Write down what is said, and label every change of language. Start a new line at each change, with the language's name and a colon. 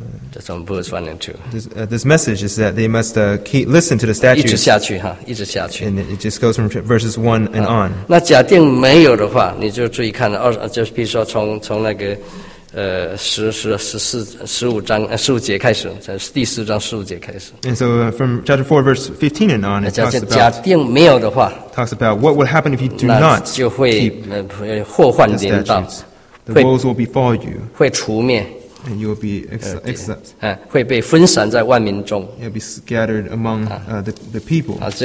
English: This message is that they must listen to the statutes.
Chinese: 一直下去。
English: And it just goes from verses 1 and on.
Chinese: 那假定没有的话，你就注意看，就是比如说从那个十五节开始，第四章十五节开始。
English: And so from chapter 4, verse 15 and on, it talks about.
Chinese: 假定没有的话，
English: talks about what would happen if you do not keep the statutes. The woes will befall you.
Chinese: 会除灭。
English: And you will be exiled.
Chinese: 会被分散在万民中。
English: You'll be scattered among the people.